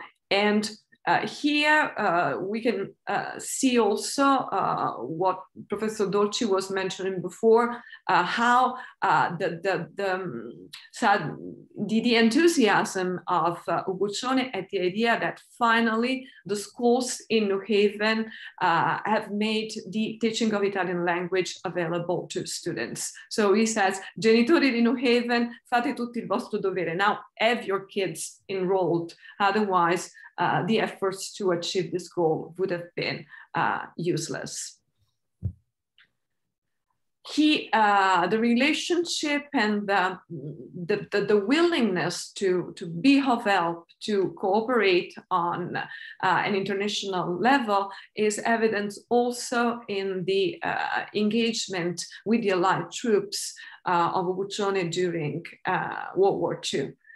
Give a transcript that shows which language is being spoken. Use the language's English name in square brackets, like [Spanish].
[English] Here we can see also what Professor Dolci was mentioning before, how the enthusiasm of Uguccione at the idea that finally the schools in New Haven have made the teaching of Italian language available to students. So he says, [Italian] genitori di New Haven, fate tutti il vostro dovere. [English] Now have your kids enrolled, otherwise the efforts to achieve this goal would have been useless. The relationship and the willingness to be of help, to cooperate on an international level is evident also in the engagement with the Allied troops of Uguccione during World War II.